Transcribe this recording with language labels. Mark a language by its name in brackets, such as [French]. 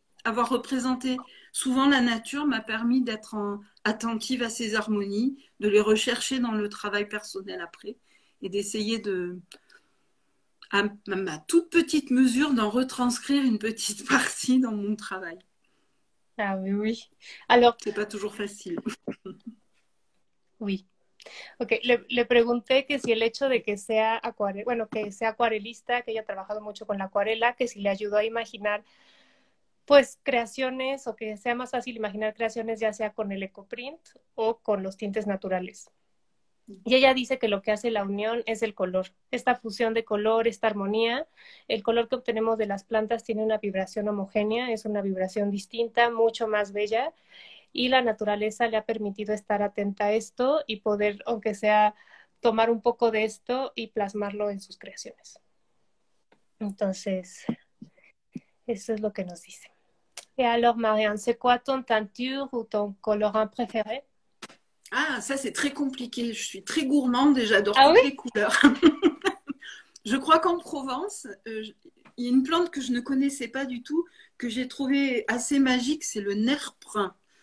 [French] Avoir représenté souvent la nature m'a permis d'être attentive à ces harmonies, de les rechercher dans le travail personnel après, et d'essayer de, à ma toute petite mesure, d'en retranscrire une petite partie dans mon travail. Ah oui. Alors, C'est pas toujours facile. oui. [Spanish] Ok, le pregunté que si el hecho de que sea acuarela, bueno, que sea acuarelista, que haya trabajado mucho con la acuarela, que si le ayudó a imaginar, pues, creaciones, o que sea más fácil imaginar creaciones, ya sea con el ecoprint o con los tintes naturales. Y ella dice que lo que hace la unión es el color, esta fusión de color, esta armonía. El color que obtenemos de las plantas tiene una vibración homogénea, es una vibración distinta, mucho más bella, y la naturaleza le ha permitido estar atenta a esto y poder, aunque sea, tomar un poco de esto y plasmarlo en sus creaciones. Entonces, eso es lo que nos dice. Y [French] alors, Marianne, ¿c'est quoi ton teinture ou ton colorant préféré? Ah, ça c'est très compliqué. Je suis très gourmande et j'adore Ah toutes les couleurs. Je crois qu'en Provence, y une plante que je ne connaissais pas du tout, que j'ai trouvé assez magique, c'est le nerprin.